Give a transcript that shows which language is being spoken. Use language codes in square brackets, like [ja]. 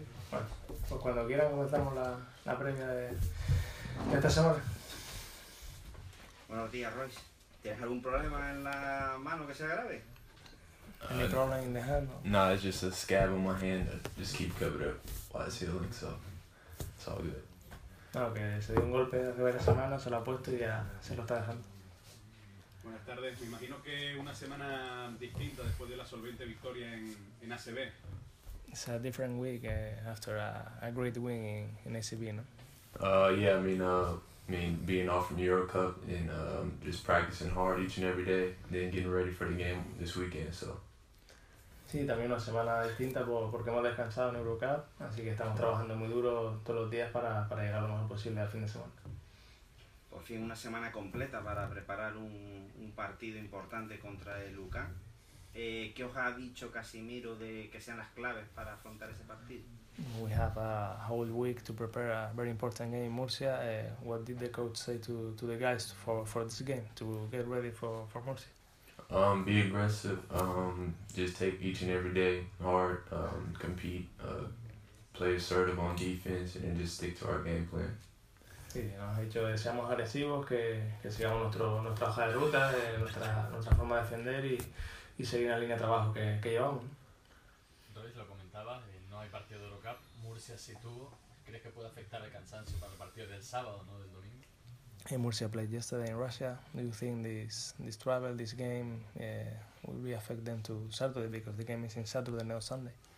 [es] Bueno, pues cuando quiera comenzamos la premia de esta semana. Buenos días, Royce. ¿Tienes algún problema en la mano que sea grave? [en] Any problem in the hand? No, it's just a scab on my hand. I just keep covered up while it's healing, so it's all good. [es] No, que se dio un golpe hace varias semanas, se lo ha puesto y ya se lo está dejando. Buenas tardes. Me imagino que una semana distinta después de la solvente victoria en ACB. [en] It's a different week after a great win in ACB, no? I mean, being off from Euro Cup and just practicing hard each and every day, then getting ready for the game this weekend, so. [es] Sí, también una semana distinta porque hemos descansado en Euro Cup, así que estamos trabajando muy duro todos los días para llegar lo mejor posible al fin de semana. Por fin una semana completa para preparar un partido importante contra el Lucan. ¿Qué os ha dicho Casimiro de que sean las claves para afrontar ese partido? [en] We have a whole week to prepare a very important game in Murcia. What did the coach say to the guys for this game, to get ready for Murcia? Be aggressive, just take each and every day hard, compete, play assertive on defense, and then just stick to our game plan. [es] Sí, nos ha dicho que seamos agresivos, que sigamos nuestra hoja de ruta, nuestra forma de defender y seguir la línea de trabajo que llevamos. Entonces lo comentaba, no hay partido de Eurocup, Murcia sí tuvo. ¿Crees que puede afectar el cansancio para el partido del sábado, no del domingo? [en] Hey, Murcia played yesterday in Russia. Do you think this travel, this game, will really affect them to Saturday because the game is in Saturday, not Sunday?